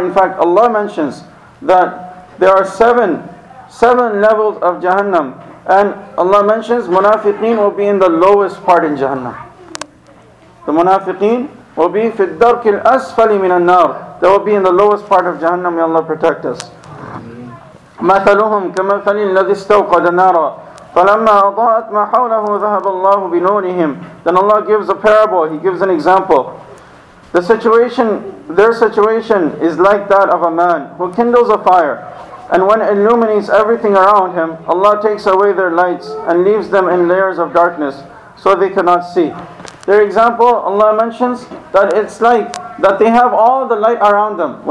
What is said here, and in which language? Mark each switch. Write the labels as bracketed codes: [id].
[en] In fact, Allah mentions that there are seven levels of Jahannam, and Allah mentions munafiqeen will be in the lowest part in Jahannam. The munafiqeen will be [ar] fi ad-dark al-asfali min an-nar. [en] They will be in the lowest part of Jahannam. May Allah protect us. [ar] مثلهم كمثل الذي استوقد نارا فلما أضاءت ما حوله ذهب الله بنورهم. [en] Then Allah gives a parable, he gives an example. The situation, their situation is like that of a man who kindles a fire, and when it illuminates everything around him, Allah takes away their lights and leaves them in layers of darkness so they cannot see. Their example, Allah mentions that it's like that they have all the light around them.